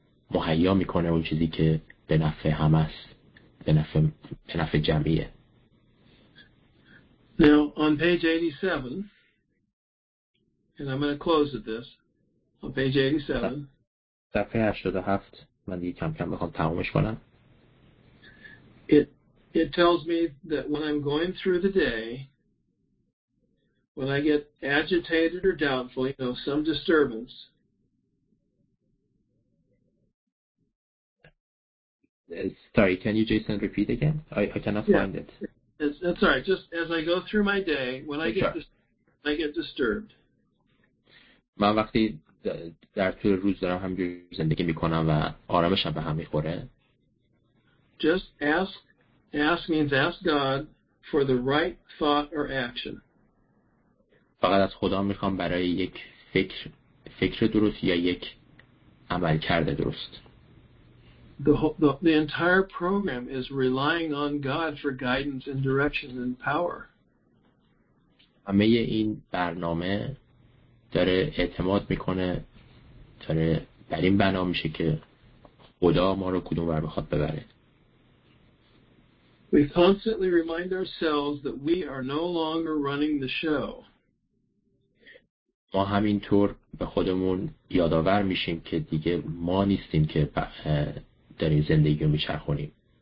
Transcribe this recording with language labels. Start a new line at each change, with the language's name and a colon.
Persian: مهیا میکنه اون چیزی که به نفع هم است، به نفع جمعیه.
English: Now on page 87, and I'm going to close with this. On page 87.
Persian: صفحه 87 من دیگه کم کم میخوام تمومش کنم.
English: It tells me that when I'm going through the day, when I get agitated or doubtful, you know, some disturbance. Sorry, can you, Jason, repeat again? I cannot find it. That's all right. Just as I go through my day, when I get disturbed.
Persian: من وقتی در طول روز دارم همجوری زندگی میکنم و آرامشم به هم میخوره.
English: Just ask means ask God for the right thought or action.
Persian: فقط از خدا میخوام برای یک فکر درست یا یک عمل کرده درست.
English: The entire program is relying on God for guidance and direction and power.
Persian: همه این برنامه داره اعتماد میکنه، داره بر این بنا میشه که خدا ما رو کدوم ور بخواد ببره.
English: We constantly remind ourselves that we are no longer running the show.
Persian: ما همینطور به خودمون یادآور میشیم که دیگه ما نیستیم که داریم زندگی رو میچرخونیم.